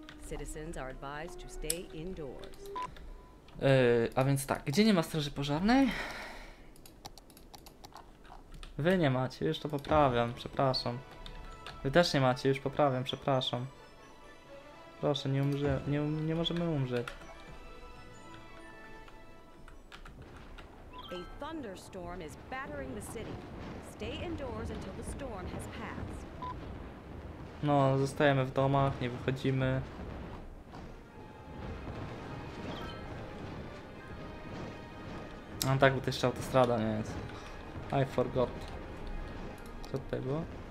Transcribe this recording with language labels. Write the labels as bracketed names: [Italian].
[English] Citizens are advised to stay indoors. [Polish] A więc tak, gdzie nie ma straży pożarnej? Wy nie macie, już to poprawiam, przepraszam. Wy też nie macie, już poprawiam, przepraszam. Proszę, nie umrze, nie możemy umrzeć. [English] A thunderstorm is battering the city. Stay indoors until the storm has passed. [Polish] No, zostajemy w domach, nie wychodzimy. No tak, bo to jeszcze autostrada nie jest. [English] I forgot. [Polish] Co tutaj było?